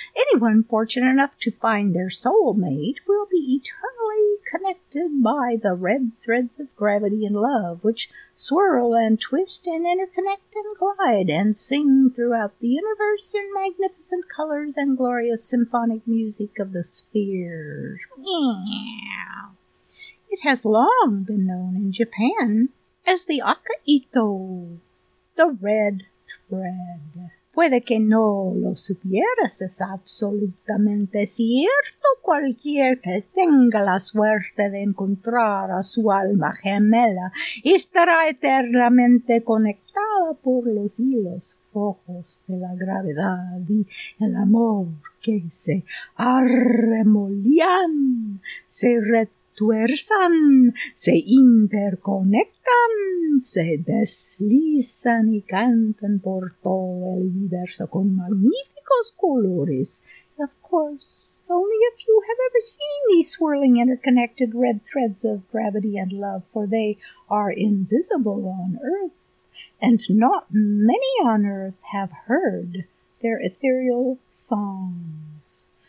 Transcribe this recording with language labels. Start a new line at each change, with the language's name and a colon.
English: Anyone fortunate enough to find their soulmate will be eternally connected by the red threads of gravity and love, which swirl and twist and interconnect and glide and sing throughout the universe in magnificent colors and glorious symphonic music of the spheres, meow. It has long been known in Japan as the Akaito, the red thread.
Spanish: Puede que no lo supieras, es absolutamente cierto. Cualquier que tenga la suerte de encontrar a su alma gemela estará eternamente conectada por los hilos rojos de la gravedad y el amor que se arremolían, se tuerzan, se interconectan, se deslizan y cantan por todo el universo con magníficos colores.
English: Of course, only if you have ever seen these swirling interconnected red threads of gravity and love, for they are invisible on Earth, and not many on Earth have heard their ethereal songs.